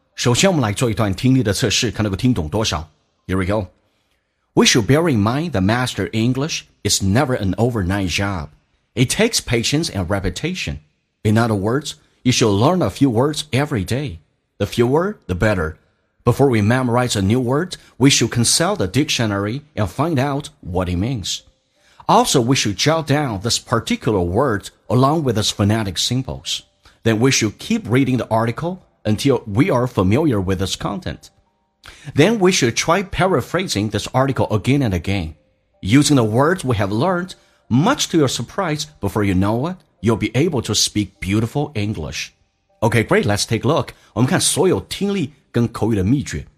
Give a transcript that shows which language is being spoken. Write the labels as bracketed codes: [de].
[zh] 首先我们来做一段听力的测试，看能够听懂多少。 [en] Here we go. We should bear in mind that Master English is never an overnight job. It takes patience and repetition. In other words, you should learn a few words every day. The fewer, the better. Before we memorize a new word, we should consult the dictionary and find out what it means. Also, we should jot down this particular word along with its phonetic symbols. Then we should keep reading the article until we are familiar with its content. Then we should try paraphrasing this article again and again, using the words we have learned, much to your surprise, before you know it, you'll be able to speak beautiful English. Okay, great, let's take a look. [zh] 我们看所有听力跟口语的秘诀。